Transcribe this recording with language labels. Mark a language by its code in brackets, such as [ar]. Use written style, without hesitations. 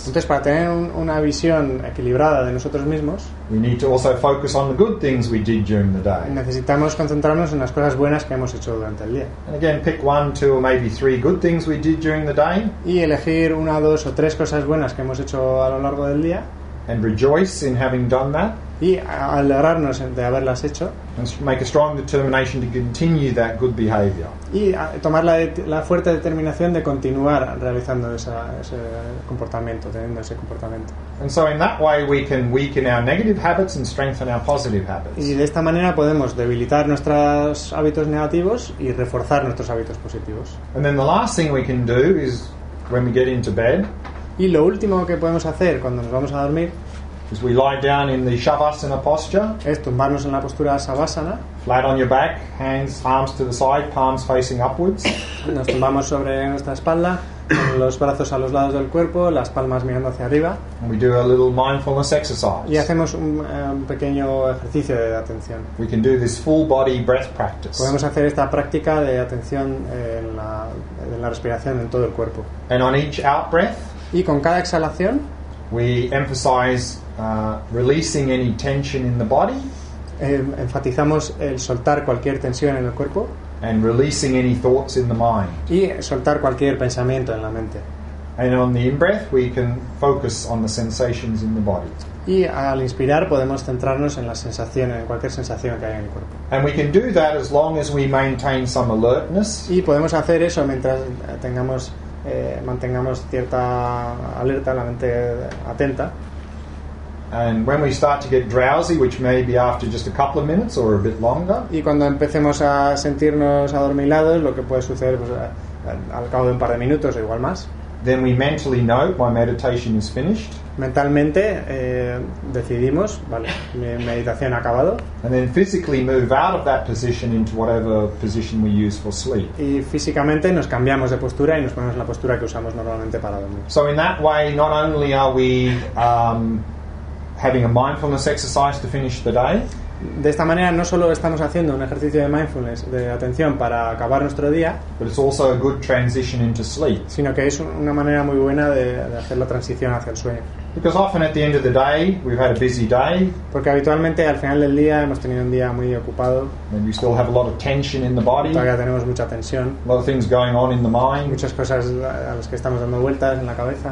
[es] Entonces, para tener una visión equilibrada de nosotros mismos, [en] we need to also focus on the good things we did during the day. [es] Necesitamos concentrarnos en las cosas buenas que hemos hecho durante el día. [en] And again, pick 1, 2, or maybe 3 good things we did during the day. [es] Y elegir 1, 2, o 3 cosas buenas que hemos hecho a lo largo del día. [en] And rejoice in having done that. [es] y alegrarnos de haberlas hecho. [en] And make a strong determination to continue that good behavior. [es] Y tomar la fuerte determinación de continuar realizando ese comportamiento, teniendo ese comportamiento. [en] And so in that way we can weaken our negative habits and strengthen our positive habits. [es] Y de esta manera podemos debilitar nuestros hábitos negativos y reforzar nuestros hábitos positivos. [en] And then the last thing we can do is when we get into bed. [es] Y lo último que podemos hacer cuando nos vamos a dormir [en] is we lie down in the Shavasana posture. [es] Es tumbarnos en la postura Shavasana. [en] Flat on your back, hands, arms to the side, palms facing upwards. [es] Nos tumbamos sobre nuestra espalda, con los brazos a los lados del cuerpo, las palmas mirando hacia arriba. [en] And we do a little mindfulness exercise. [es] Y hacemos un pequeño ejercicio de atención. [en] We can do this full body breath practice. [es] Podemos hacer esta práctica de atención en la respiración en todo el cuerpo. [en] And on each out breath, [es] y con cada exhalación, [en] we emphasize releasing any tension in the body. [es] Enfatizamos el soltar cualquier tensión en el cuerpo. [en] And releasing any thoughts in the mind. [es] Y soltar cualquier pensamiento en la mente. [en] And on the in-breath, we can focus on the sensations in the body. [es] Y al inspirar podemos centrarnos en la sensación, en cualquier sensación que haya en el cuerpo. [en] And we can do that as long as we maintain some alertness. [es] Y podemos hacer eso mientras tengamos mantengamos cierta alerta, la mente atenta. [en] And when we start to get drowsy, which may be after just a couple of minutes or a bit longer. [es] Y cuando empecemos a sentirnos adormilados, lo que puede suceder pues, al cabo de un par de minutos o igual más. [en] Then we mentally know my meditation is finished. [es] Mentalmente decidimos, vale, mi meditación ha acabado. [en] And then physically move out of that position into whatever position we use for sleep. [es] Y físicamente nos cambiamos de postura y nos ponemos en la postura que usamos normalmente para dormir. [en] So in that way, not only are we having a mindfulness exercise to finish the day. [es] De esta manera no solo estamos haciendo un ejercicio de mindfulness, de atención para acabar nuestro día, [en] but it's also a good transition into sleep. [es] Sino que es una manera muy buena de hacer la transición hacia el sueño. [en] Because often at the end of the day we've had a busy day. [es] Porque habitualmente al final del día hemos tenido un día muy ocupado. [en] And we still have a lot of tension in the body. [es] Todavía tenemos mucha tensión. [en] A lot of things going on in the mind. [es] Muchas cosas a las que estamos dando vueltas en la cabeza.